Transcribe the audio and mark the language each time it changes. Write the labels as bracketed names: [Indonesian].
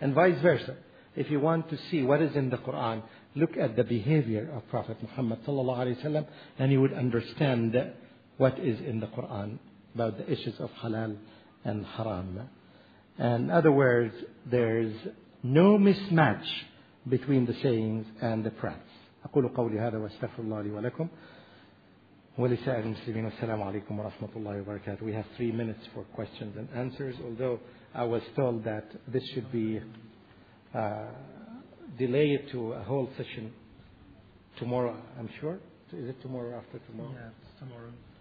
[English] And vice versa, if you want to see what is in the Quran, look at the behavior of Prophet Muhammad sallallahu alaihi wasallam, and you would understand what is in the Quran about the issues of halal and haram. In other words, there is no mismatch between the sayings and the practice. [Arabic] أقول قولي هذا واستغفر الله لي ولكم ولسائر المسلمين والسلام عليكم ورحمة الله وبركاته. [English] We have 3 minutes for questions and answers, although I was told that this should be delayed to a whole session tomorrow, I'm sure. Is it tomorrow or after tomorrow? Yeah, it's tomorrow.